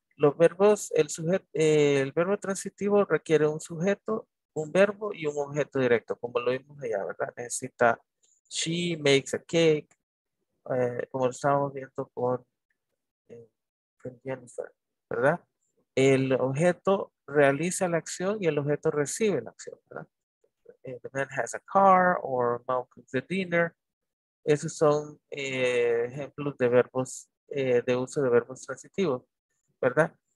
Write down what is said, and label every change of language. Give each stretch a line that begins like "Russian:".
Spanish: Los verbos, el verbo transitivo requiere un sujeto, un verbo y un objeto directo, como lo vimos allá, ¿verdad? Necesita
English: she makes a cake,
Spanish: como lo estábamos viendo con Jennifer, ¿verdad? El objeto realiza la acción y el objeto recibe la acción, ¿verdad?
English: The man has a car or mom cooks the dinner.
Spanish: Esos son ejemplos de verbos, de uso de verbos transitivos. ¿Verdad?